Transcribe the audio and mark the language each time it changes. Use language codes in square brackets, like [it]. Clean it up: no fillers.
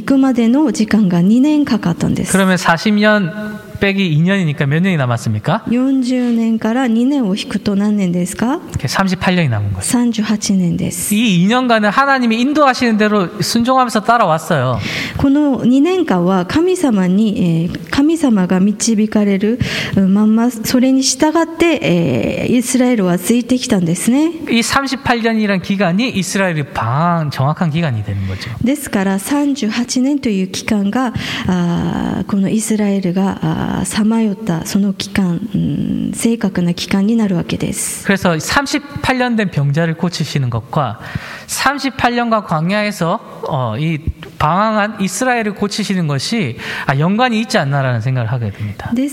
[ja] エジプトから出てきてこのガデシュバルネアに行くまでの時間が2年かかったんです。 [ko] 그러면 40년 빼기 2년이니까 몇 년이 남았습니까? [ja] 40년から2年を引くと何年ですか? [ko] 38년이 남은 거예요. [ja] 38년 です. [ko] 이 2년간은 하나님이 인도하시는 대로 순종하면서 따라왔어요. [ja] この2年間は神様に神様が導かれるまんまそれに従ってイスラエルはついてきたんですね。 [ko] 이 38년이란 기간이 이스라엘이 방황 정확한 기간이 되는 거죠. [ja] ですから38年という期間がこのイスラエルが 彷徨ったその期間、正確な期間になるわけです。 [ko] 그래서 38년 된 병자를 고치시는 것과 38년간 광야에서 이 방황한 이스라엘을 고치시는 것이 연관이 있지 않나라는 생각을 하게 됩니다.